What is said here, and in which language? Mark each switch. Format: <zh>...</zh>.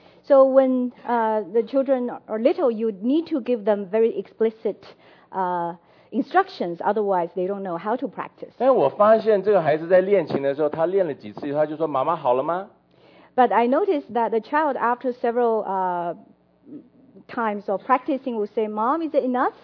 <en>So when the children are little, you need to give them very explicit instructions, otherwise they don't know how to practice.</en> <zh>但我发现这个孩子在练琴的时候，他练了几次，他就说：“妈妈，好了吗？”</zh> <en>But I noticed that the child, after several times of practicing, will say, "Mom, is it enough?"</en>